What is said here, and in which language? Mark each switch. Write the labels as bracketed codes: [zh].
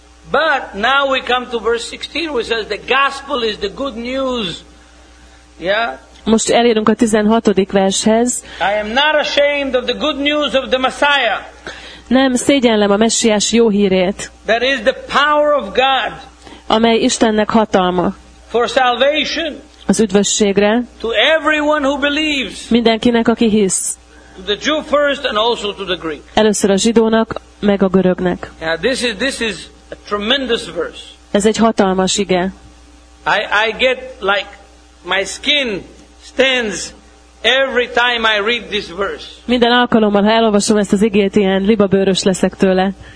[en] But now we come to verse 16, which says the gospel is the good news. Yeah. [hu] Most elérünk a 16. vershez. [en] I am not ashamed of the good news of the Messiah. [hu] Nem szégyellem a Messiás jó hírét. [en] That is the power of God. [hu] Amely Istennek hatalma. [en] For salvation. [hu] Az üdvösségre. [en] To everyone who believes. [hu] Mindenkinek, aki hisz. [en] To the Jew first and also to the Greek. [hu] Először a zsidónak, meg a görögnek. [en] Yeah, this is a tremendous verse. [hu] Ez egy hatalmas ige. [en] I get like my skin stands every time I read this verse. [hu] Minden alkalommal, ha elolvasom ezt az igét, ilyen libabőrös leszek tőle.